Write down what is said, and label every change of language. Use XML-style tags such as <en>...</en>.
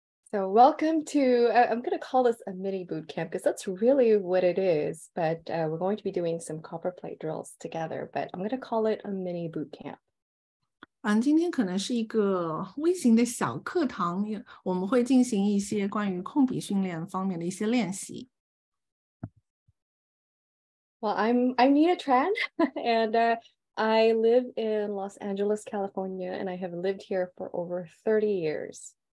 <en>So welcome to, I'm going to call this a mini bootcamp because that's really what it is, but we're going to be doing some copper plate drills together, but I'm going to call it a mini bootcamp.</en> <zh>今天可能是一个微型的小课堂, 我们会进行一些关于控笔训练方面的一些练习。</zh> <en>Well, I'm Nina Tran, and I live in Los Angeles, California, and I have lived here for over 30 years.</en>